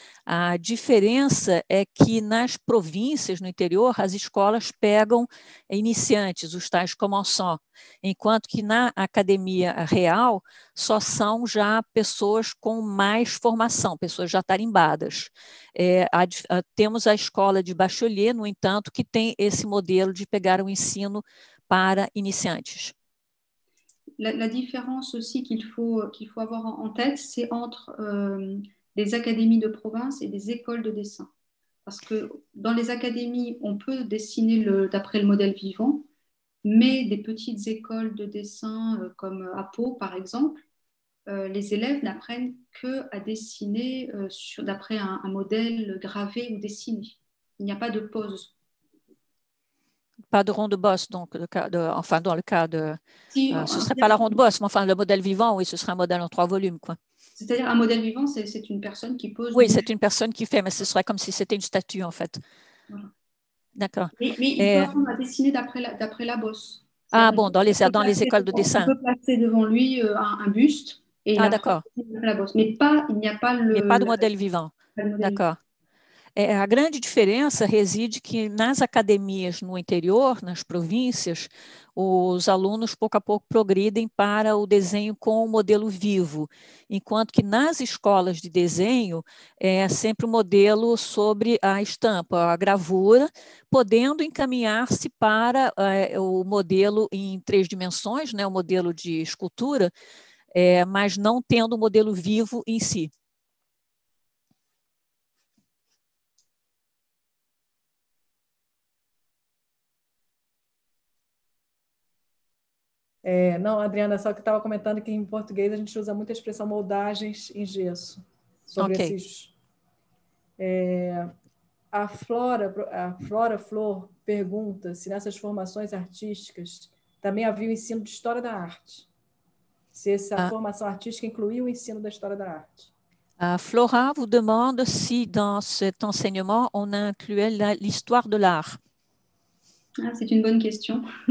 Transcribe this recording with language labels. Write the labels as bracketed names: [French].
[Portuguese] A diferença é que nas províncias, no interior, as escolas pegam iniciantes, os tais commençants, enquanto que na academia real só são já pessoas com mais formação, pessoas já tarimbadas. Temos a escola de Bachelier, no entanto, que tem esse modelo de pegar um ensino para iniciantes. [French] La différence aussi qu'il faut avoir en tête, c'est entre des académies de province et des écoles de dessin. Parce que dans les académies, on peut dessiner d'après le modèle vivant, mais des petites écoles de dessin comme à Pau, par exemple, les élèves n'apprennent qu'à dessiner d'après un modèle gravé ou dessiné. Il n'y a pas de pause. Pas de ronde-bosse, donc, dans le cas de... ce ne serait pas la ronde-bosse, mais enfin, le modèle vivant, oui, ce serait un modèle en trois volumes, quoi. C'est-à-dire un modèle vivant, c'est une personne qui pose. Oui, c'est une personne qui fait, mais ce serait comme si c'était une statue en fait. Voilà. D'accord. Mais il peut apprendre à dessiner d'après la bosse. Ah bon, dans les écoles de dessin. On peut placer devant lui un buste et la bosse. Mais pas, il n'y a pas le. Et pas de modèle vivant. D'accord. [Portuguese] A grande diferença reside que nas academias no interior, nas províncias, os alunos pouco a pouco progridem para o desenho com o modelo vivo, enquanto que nas escolas de desenho é sempre o modelo sobre a estampa, a gravura, podendo encaminhar-se para o modelo em três dimensões, né, o modelo de escultura, mas não tendo o modelo vivo em si. Não, Adriana, só que estava comentando que em português a gente usa muito a expressão moldagens em gesso. Sobre okay. Esses. A Flora Flor pergunta se nessas formações artísticas também havia o ensino de história da arte. Se essa formação artística incluía o ensino da história da arte. [French] A Flora vous demande si dans cet enseignement on incluait l'histoire de l'art. Ah, c'est une bonne question.